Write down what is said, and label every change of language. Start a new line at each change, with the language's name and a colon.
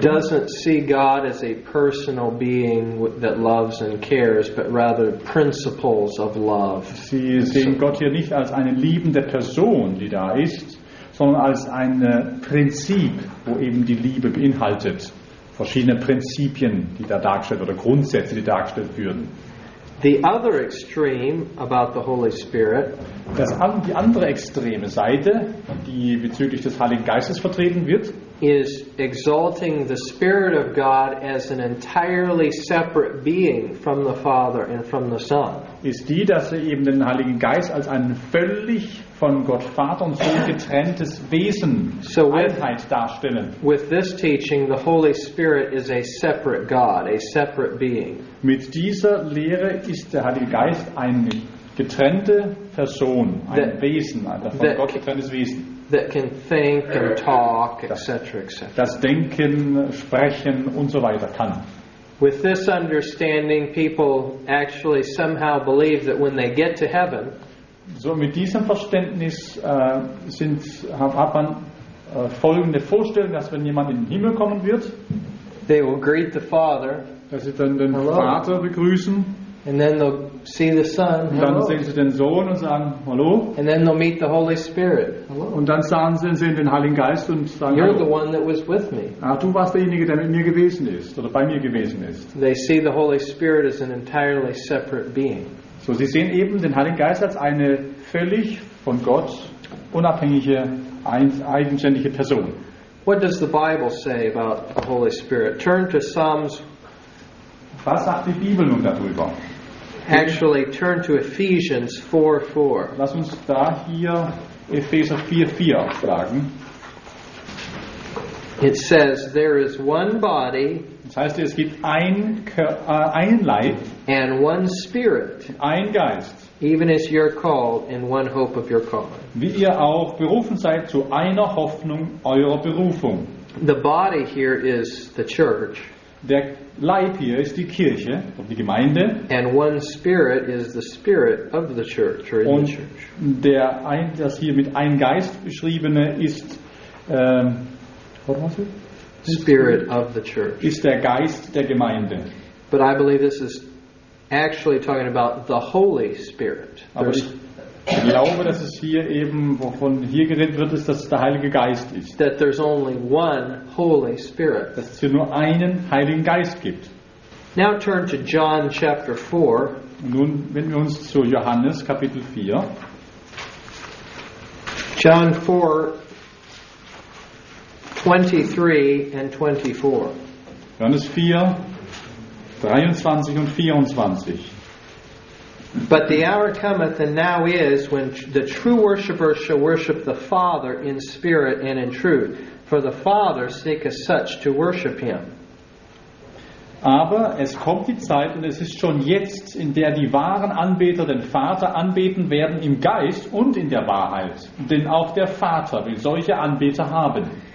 English: Doesn't see God as a personal being that loves and cares, but rather principles of love.
German: Sie sehen Gott hier nicht als eine liebende Person, die da ist, sondern als ein Prinzip, wo eben die Liebe beinhaltet. Verschiedene Prinzipien, die da dargestellt oder Grundsätze, die dargestellt würden.
English: The other extreme about the Holy Spirit,
German: die andere extreme Seite, die bezüglich des Heiligen Geistes vertreten wird,
English: is exalting the Spirit of God as an entirely separate being from the Father and from the Son.
German: Ist die, dass er eben den Heiligen Geist als einen völlig von Gott Vater und Sohn getrenntes Wesen, so Einheit darstellen.
English: With this teaching, the Holy Spirit is a separate God, a separate being.
German: Mit dieser Lehre ist der Heilige Geist eine getrennte Person, ein Wesen, ein von Gott getrenntes Wesen.
English: That can think and talk, etc., etc.
German: Das Denken, Sprechen und so weiter kann.
English: With this understanding, people actually somehow believe that when they get to heaven.
German: So mit diesem Verständnis hat man folgende Vorstellung, dass wenn jemand in den Himmel kommen wird,
English: they will greet the Father,
German: dass sie dann den
English: Hello.
German: Vater begrüßen.
English: And then they'll see the Son.
German: Und dann sehen sie den Sohn und sagen Hallo.
English: And then they'll meet the Holy Spirit.
German: Und dann sehen sie den Heiligen Geist und sagen
English: You're the one that was with me.
German: Ah, du warst derjenige, der mit mir gewesen ist oder bei mir gewesen ist.
English: They see the Holy Spirit as an entirely separate being.
German: So, sie sehen eben den Heiligen Geist als eine völlig von Gott unabhängige, eigenständige Person.
English: What does the Bible say about the Holy Spirit? Turn to Psalms.
German: Was sagt die Bibel nun darüber?
English: Actually, turn to Ephesians 4:4.
German: Lass uns da hier Epheser 4:4 fragen.
English: It says, there is one body.
German: Das heißt, es gibt ein Leib.
English: And one spirit.
German: Ein Geist.
English: Even as you're called in one hope of your calling.
German: Wie ihr auch berufen seid zu einer Hoffnung eurer Berufung.
English: The body here is the church.
German: Der Leib hier ist die Kirche, die Gemeinde.
English: And one spirit is the spirit of the church. Or in
German: Und
English: the church.
German: Das hier mit ein Geist beschriebene ist
English: Spirit of the church.
German: Ist der Geist der Gemeinde.
English: But I believe this is actually talking about the Holy Spirit.
German: Aber ich glaube, dass es hier eben, wovon hier geredet wird, ist, dass es der Heilige Geist ist.
English: That there's only one Holy Spirit.
German: Dass es hier nur einen Heiligen Geist gibt.
English: Now turn to John chapter 4.
German: Nun wenden wir uns zu Johannes Kapitel 4.
English: John 4 23 and 24.
German: Johannes 4, 23 und 24.
English: But the hour cometh and now is when the true worshipper shall worship the Father in spirit and in truth. For the Father seeketh such to worship him.
German: Aber es kommt die Zeit und es ist schon jetzt, in der die wahren Anbeter den Vater anbeten werden im Geist und in der Wahrheit. Denn auch der Vater will solche Anbeter haben.